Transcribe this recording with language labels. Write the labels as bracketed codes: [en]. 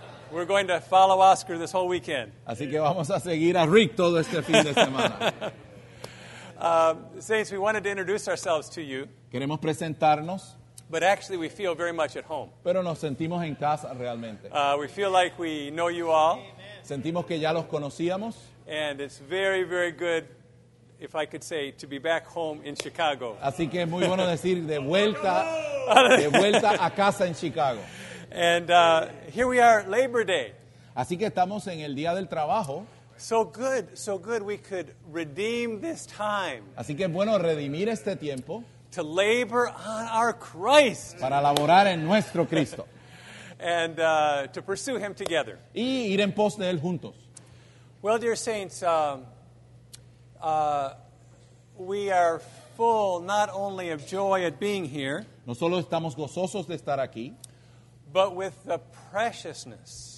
[en] We're going to follow Oscar this whole weekend. [es] Así que vamos a seguir a Rick todo este fin de semana. [en] Saints, we wanted to introduce ourselves to you. [es] Queremos presentarnos. [en] But actually, we feel very much at home. [es] Pero nos sentimos en casa realmente. [en] We feel like we know you all. [es] Sentimos que ya los conocíamos. [en] And it's very, very good, if I could say, to be back home in Chicago. [es] Así que es muy bueno decir de vuelta a casa en Chicago. [en] And here we are, Labor Day. [es] Así que estamos en el Día del Trabajo. [en] So good we could redeem this time. [es] Así que es bueno redimir este tiempo. [en] To labor on our Christ. [es] Para laborar en nuestro Cristo. [en] And to pursue him together. [es] Y ir en pos de él juntos. [en] Well, dear saints, we are full not only of joy at being here. [es] No solo estamos gozosos de estar aquí. [en] But with the preciousness.